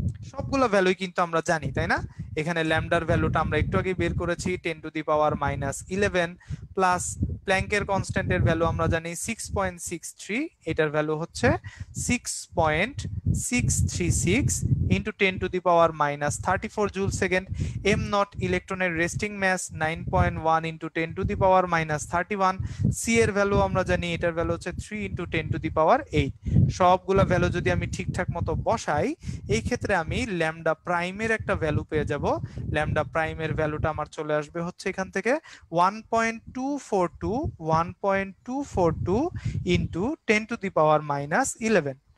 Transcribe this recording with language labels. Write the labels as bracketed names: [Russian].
[Bangla] সবগুলো ভ্যালুই কিন্তু আমরা জানি, তাই না? এখানে ল্যামডার ভ্যালুটা আমরা একটু আগে বের করেছি 10^-11, প্লাস প্ল্যাঙ্কের কনস্ট্যান্টের ভ্যালু আমরা জানি 6.63, এটার ভ্যালু হচ্ছে 6.636 [English] into 10 to the power minus 34 joule second. M naught electronic resting mass 9.1 into 10 to the power minus 31. [Bangla] C এর ভ্যালু আমরা জানি এটার ভ্যালু হচ্ছে [English] 3 into 10 to the power 8. [Bangla] সবগুলো ভ্যালু যদি আমি ঠিকঠাক মতো বসাই এই ক্ষেত্রে আমি ল্যামডা প্রাইম এর একটা ভ্যালু পেয়ে যাব. ল্যামডা প্রাইম এর ভ্যালুটা আমার চলে আসবে হচ্ছে এখান থেকে [English] 1.242 into 10 to the power minus 11.